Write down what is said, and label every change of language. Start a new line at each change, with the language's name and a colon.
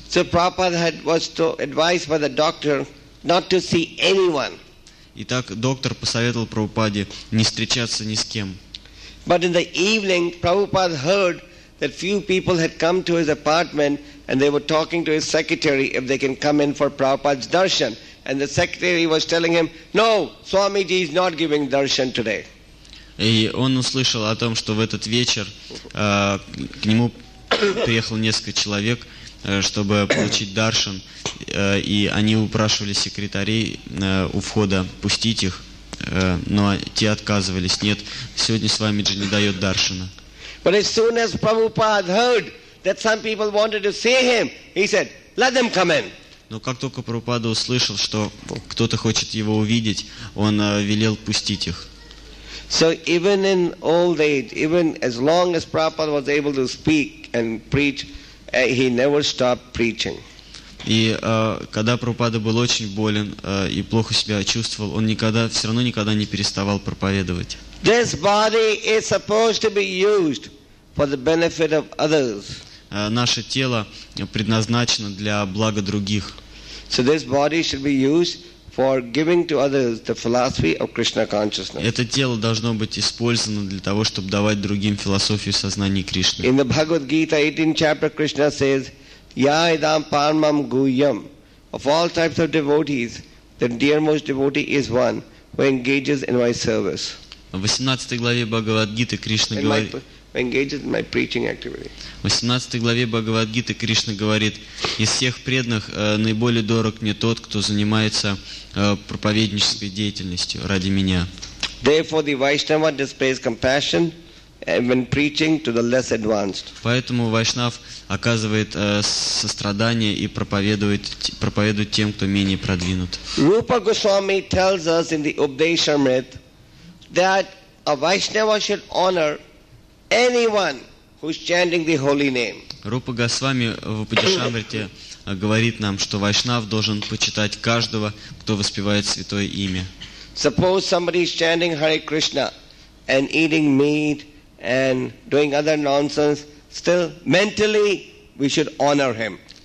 English: So Prabhupada was advised by the doctor not to see anyone.
Russian: Итак, доктор посоветовал Прабхупаде не встречаться ни с кем.
English: But in the evening, Prabhupada heard that few people had come to his apartment and they were talking to his secretary if they can come in for Prabhupada's darshan. And the secretary was telling him, no, Swamiji is not giving darshan today.
Russian: И он услышал о том, что в этот вечер к нему приехало несколько человек, чтобы получить даршан, и они упрашивали секретарей у входа пустить их, но те отказывались: нет, сегодня Свамиджи не дает даршана.
English: But as soon as Prabhupada heard that some people wanted to see him, he said, let them come in.
Russian: Но как только Прабхупада услышал, что кто-то хочет его увидеть, он велел пустить их.
English: So even in old age, even as long as Prabhupada was able to speak and preach, he never stopped preaching.
Russian: И когда Прабхупада был очень болен и плохо себя чувствовал, он никогда не переставал проповедовать.
English: This body is supposed to be used for the benefit of others.
Russian: Наше тело предназначено для блага других.
English: So this body should be used for giving to others the philosophy of Krishna consciousness.
Russian: Это тело должно быть использовано для того, чтобы давать другим философию сознания Кришны.
English: In the Bhagavad Gita 18th chapter, Krishna says,
Sanskrit: "Ya idam parmam guhyam."
English: Of all types of devotees, the dearmost devotee is one who engages in my service.
Russian: В 18 главе Бхагавад-гиты Кришна говорит.
English: Engages in my preaching activity.
Russian: В 18 главе Бхагавад-гиты Кришна говорит: из всех преданных наиболее дорог мне тот, кто занимается проповеднической деятельностью ради меня.
English: Therefore, the Vaishnava displays compassion when preaching to the less advanced.
Russian: Поэтому вайшнав оказывает сострадание и проповедует тем, кто менее продвинут.
English: Rupa Goswami tells us in the Upadeshamrit that a Vaishnava should honor anyone who's chanting the holy name.
Russian: Рупа Госвами в Упадешамрите говорит нам, что вайшнав должен почитать каждого, кто воспевает святое имя.
English: Suppose somebody is chanting Hare Krishna and eating meat and doing other nonsense, still mentally we should honor him.